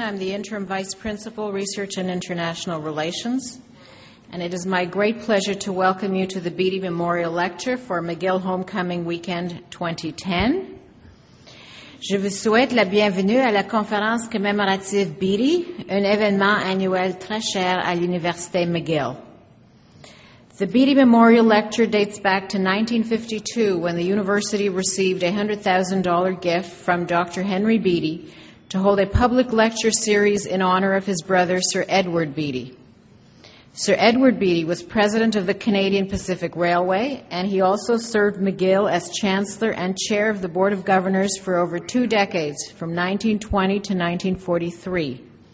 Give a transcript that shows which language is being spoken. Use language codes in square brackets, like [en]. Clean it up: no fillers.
[en] I'm the Interim Vice Principal, Research and International Relations. And it is my great pleasure to welcome you to the Beattie Memorial Lecture for McGill Homecoming Weekend 2010. [fr] Je vous souhaite la bienvenue à la conférence commémorative Beattie, un événement annuel très cher à l'Université McGill. [en] The Beattie Memorial Lecture dates back to 1952 when the university received a $100,000 gift from Dr. Henry Beattie to hold a public lecture series in honor of his brother, Sir Edward Beattie. Sir Edward Beattie was president of the Canadian Pacific Railway, and he also served McGill as chancellor and chair of the Board of Governors for over two decades, from 1920 to 1943.